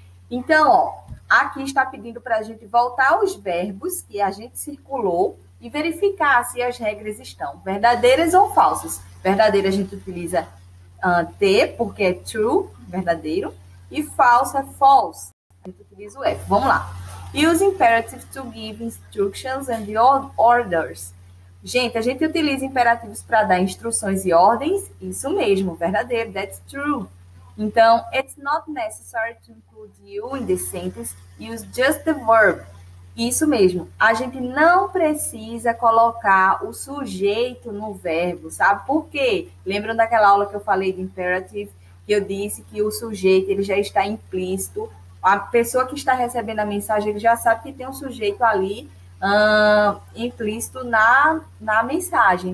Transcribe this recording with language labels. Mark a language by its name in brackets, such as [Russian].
[Portuguese] Então, ó, aqui está pedindo para a gente voltar os verbos que a gente circulou e verificar se as regras estão verdadeiras ou falsas. Verdadeira a gente utiliza ter, porque é true, verdadeiro, e false é false. A gente utiliza o F. Vamos lá. [English] Use imperative to give instructions and orders. [Portuguese] Gente, a gente utiliza imperativos para dar instruções e ordens. Isso mesmo, verdadeiro, [English] that's true. Então, it's not necessary to include you in the sentence. Use just the verb. [Portuguese] Isso mesmo. A gente não precisa colocar o sujeito no verbo, sabe? Por quê? Lembram daquela aula que eu falei de imperative, que eu disse que o sujeito ele já está implícito. A pessoa que está recebendo a mensagem ele já sabe que tem um sujeito ali implícito na mensagem.